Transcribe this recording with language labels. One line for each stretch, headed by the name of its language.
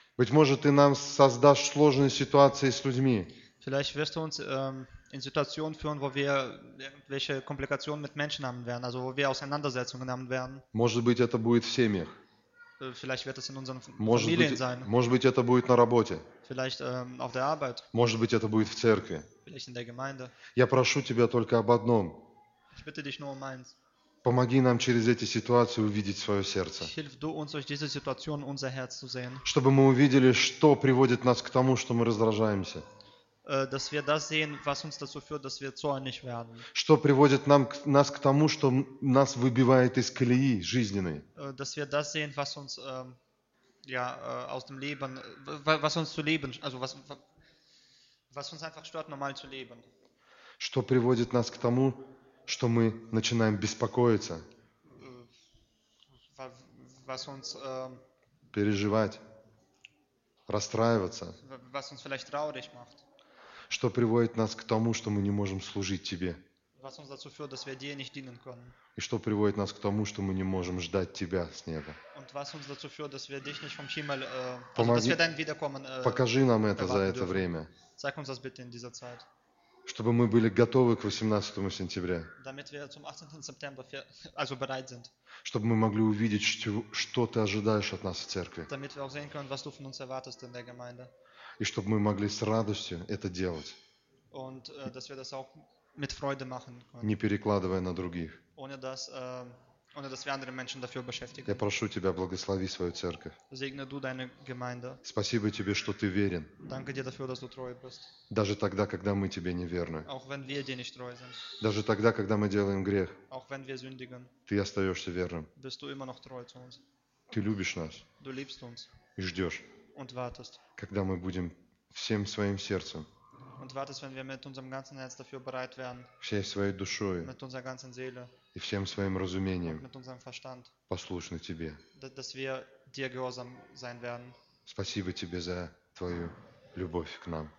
Russian: Быть может, ты нам создашь сложные ситуации с людьми.
German: Vielleicht wirst du uns in Situationen führen, wo wir irgendwelche Komplikationen mit Menschen haben werden, also wo wir Auseinandersetzungen haben werden.
Russian: Может быть, это будет в семьях.
German: Vielleicht wird es in unseren Familien sein.
Russian: Может быть, это будет на работе.
German: Vielleicht auf der Arbeit.
Russian: Может быть, это будет в церкви.
German: Vielleicht in der Gemeinde.
Russian: Я прошу тебя только об одном.
German: Ich bitte dich nur um eins.
Russian: Помоги нам через эти ситуации увидеть свое сердце.
German: Hilf du uns durch diese Situation unser Herz zu sehen.
Russian: Чтобы мы увидели, что приводит нас к тому, что мы раздражаемся.
German: Dass wir das sehen, was uns dazu führt, dass wir zornig werden.
Russian: Что приводит нас к тому, что нас выбивает из колеи жизненной.
German: Dass wir das sehen, was uns aus dem Leben, was uns zu leben, also was uns einfach stört, normal zu leben.
Russian: Что приводит нас к тому, что мы начинаем беспокоиться,
German: was uns,
Russian: переживать, расстраиваться,
German: was uns vielleicht traurig macht.
Russian: Что приводит нас к тому, что мы не можем служить Тебе,
German: was uns dazu führt, dass wir dir nicht dienen können.
Russian: И что приводит нас к тому, что мы не можем ждать тебя с неба.
German: Und was uns dazu führt, dass wir dich nicht vom Himmel, dass wir dein Wiederkommen erwarten dürfen.
Russian: Покажи нам это за это время.
German: Zeig uns das bitte in dieser Zeit.
Russian: Чтобы мы были готовы к 18 сентября.
German: Damit wir zum 18. September, also bereit sind.
Russian: Чтобы мы могли увидеть, что ты ожидаешь от нас в церкви.
German: Damit wir auch sehen können, was du von uns erwartest in der Gemeinde.
Russian: И чтобы мы могли с радостью это делать.
German: Und dass wir das auch mit Freude machen können.
Russian: Не перекладывая на других.
German: Ohne dass wir andere Menschen dafür beschäftigen.
Russian: Я прошу тебя, благослови свою церковь.
German: Segne du deine Gemeinde.
Russian: Спасибо тебе, что ты верен.
German: Danke dir dafür, dass du treu bist.
Russian: Даже тогда, когда мы тебе не верны.
German: Auch wenn wir dir nicht treu sind.
Russian: Даже тогда, когда мы делаем грех.
German: Auch wenn wir sündigen.
Russian: Ты остаешься верным.
German: Bist du immer noch treu zu uns.
Russian: Ты любишь нас.
German: Du liebst uns.
Russian: И ждешь.
German: Und wartest.
Russian: Когда мы будем всем своим сердцем.
German: Und wartest, wenn wir mit unserem ganzen Herz dafür bereit wären,
Russian: всей своей душой,
German: mit unserer ganzen Seele
Russian: и всем своим разумением,
German: und mit unserem Verstand,
Russian: послушны тебе,
German: dass wir dir gehorsam sein werden.
Russian: Спасибо тебе за твою любовь к нам.